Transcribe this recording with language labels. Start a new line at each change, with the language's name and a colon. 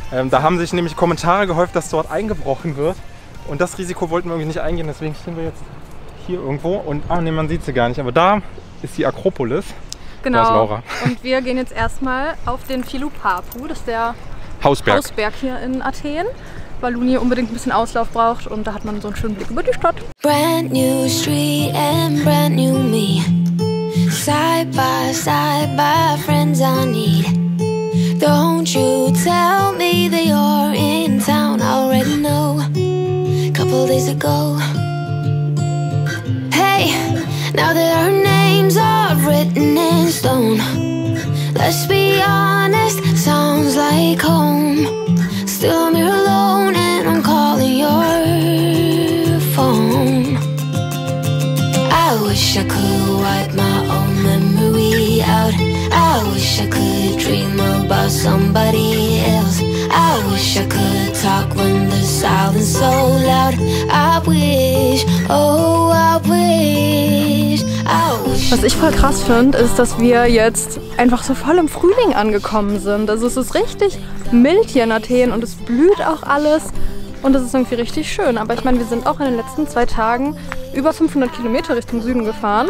German: Da haben sich nämlich Kommentare gehäuft, dass dort eingebrochen wird. Und das Risiko wollten wir irgendwie nicht eingehen, deswegen stehen wir jetzt hier irgendwo. Und ah, nee, man sieht sie gar nicht, aber da ist die Akropolis. Genau. Da ist Laura. Und wir gehen jetzt erstmal auf den Philopapu, das ist der Hausberg. Hausberg hier in Athen. Weil Luni unbedingt ein bisschen Auslauf braucht und da hat man so einen schönen Blick über die Stadt.
English: Brand new street and brand new me. Side by friends I need. Don't you tell me that you're in town, I already know. Couple days ago. Hey, now that our names are written in stone. Let's be honest, sounds like home. Still I'm here alone and I'm calling your phone. I wish I could wipe my own memory out. I wish I could dream about somebody else. I wish I could talk when the silence so loud. I wish, oh I wish.
German: Was ich voll krass finde, ist, dass wir jetzt einfach so voll im Frühling angekommen sind. Also es ist richtig mild hier in Athen und es blüht auch alles und es ist irgendwie richtig schön. Aber ich meine, wir sind auch in den letzten 2 Tagen über 500 Kilometer Richtung Süden gefahren.